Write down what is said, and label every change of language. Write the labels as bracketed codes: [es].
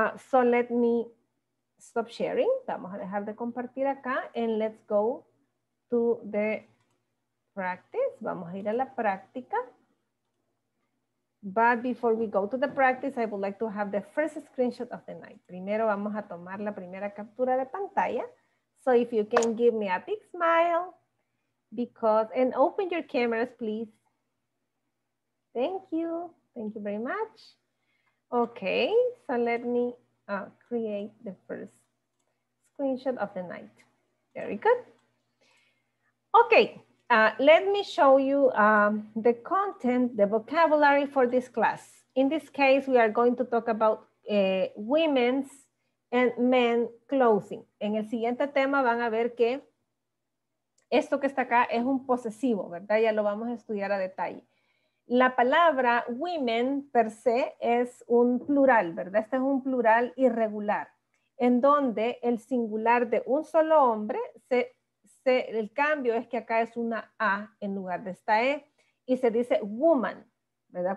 [en] So let me stop sharing. [es] Vamos a dejar de compartir acá [en] and let's go to the practice. [es] Vamos a ir a la práctica. [en] But before we go to the practice, I would like to have the first screenshot of the night. [es] Primero vamos a tomar la primera captura de pantalla. [en] So if you can give me a big smile and open your cameras, please. Thank you. Thank you very much. Okay, so let me create the first screenshot of the night. Very good. Okay, let me show you the content, the vocabulary for this class. In this case, we are going to talk about women's and men's clothing. [es] En el siguiente tema van a ver que esto que está acá es un posesivo, ¿verdad? Ya lo vamos a estudiar a detalle. La palabra women per se es un plural, ¿verdad? Este es un plural irregular, en donde el singular de un solo hombre, el cambio es que acá es una A en lugar de esta E, y se dice woman, ¿verdad?